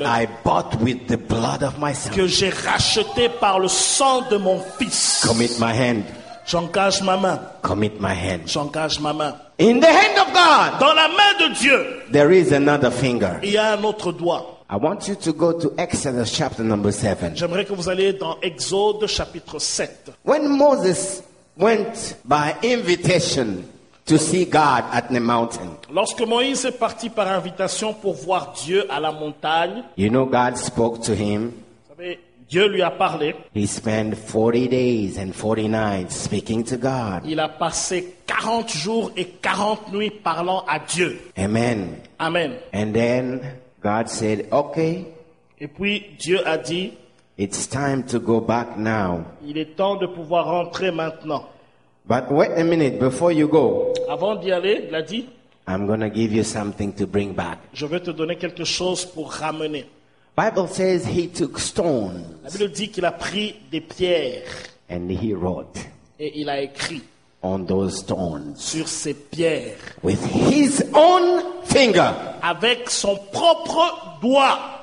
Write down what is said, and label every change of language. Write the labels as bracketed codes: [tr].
[en] That I bought with the blood of my son. [fr] Que j'ai racheté par le sang de mon fils. [en] Commit my hand. [fr] J'engage ma main. [en] Commit my hand. [fr] J'engage ma main. [en] In the hand of God. [fr] Dans la main de Dieu. [en] There is another finger. [fr] Il y a un autre doigt. [en] I want you to go to Exodus chapter number 7. [fr] J'aimerais que vous alliez dans Exode chapitre 7. [en] When Moses went by invitation to see God at the mountain. [fr] Lorsque Moïse est parti par invitation pour voir Dieu à la montagne. [en] You know God spoke to him. [fr] Vous savez, Dieu lui a parlé. [en] He spent 40 days and 40 nights speaking to God. [fr] Il a passé 40 jours et 40 nuits parlant à Dieu. [en] Amen. [fr] Amen. [en] And then God said, okay. [fr] Et puis Dieu a dit, [en] it's time to go back now. [fr] Il est temps de pouvoir rentrer maintenant. [en] But wait a minute before you go. [fr] Avant d'y aller, il a dit, [en] I'm going to give you something to bring back. [fr] Je vais te donner quelque chose pour ramener. [en] Bible says he took stones. [fr] La Bible dit qu'il a pris des pierres. [en] And he wrote. [fr] Et il a écrit. [en] On those stones. [fr] Sur ces pierres. [en] With his own finger. [fr] Avec son propre doigt.